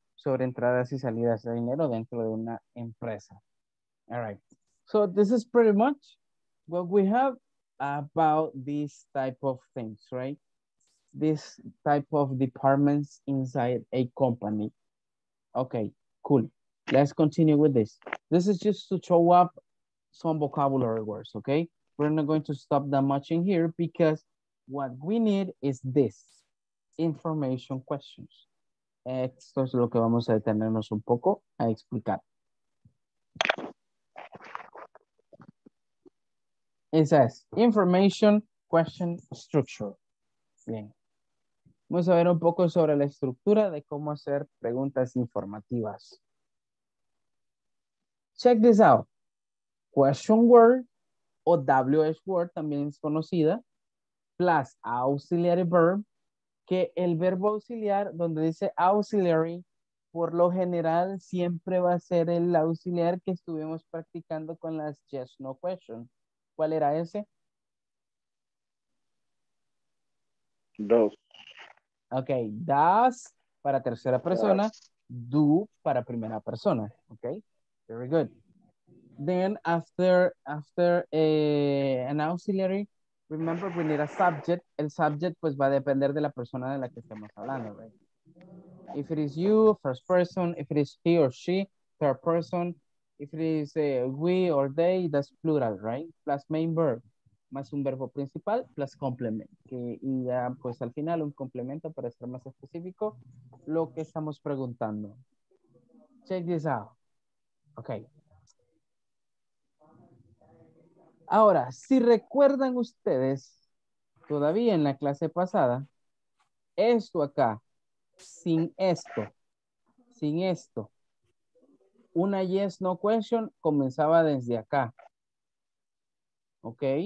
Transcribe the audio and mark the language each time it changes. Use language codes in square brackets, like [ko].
[es] Sobre entradas y salidas de dinero dentro de una empresa. [en] All right. So this is pretty much what we have about these type of things, right? This type of departments inside a company. Okay, cool. Let's continue with this. This is just to show up some vocabulary words, okay? We're not going to stop that much in here because what we need is this, information questions. [es] Esto es lo que vamos a detenernos un poco a explicar. [en] It says, information question structure. Bien. [es] Vamos a ver un poco sobre la estructura de cómo hacer preguntas informativas. [en] Check this out. Question word [es] o WH word, también es conocida, [en] plus auxiliary verb, [es] que el verbo auxiliar, donde dice auxiliary, por lo general siempre va a ser el auxiliar que estuvimos practicando con las yes, no questions. ¿Cuál era ese? [en] Does. [es] Ok, does para tercera persona, does. Do para primera persona. [en] Ok, very good. Then after an auxiliary, remember we need a subject. [es] El subject pues va a depender de la persona de la que estemos hablando, right? [en] If it is you, first person. If it is he or she, third person. If it is we or they, that's plural, right? Plus main verb. [es] más un verbo principal plus complemento. Y ya, pues al final, un complemento para ser más específico lo que estamos preguntando. [en] Check this out. [es] Ok. Ahora, si recuerdan ustedes, todavía en la clase pasada, esto acá, sin esto, una yes, no question comenzaba desde acá. ¿Ok?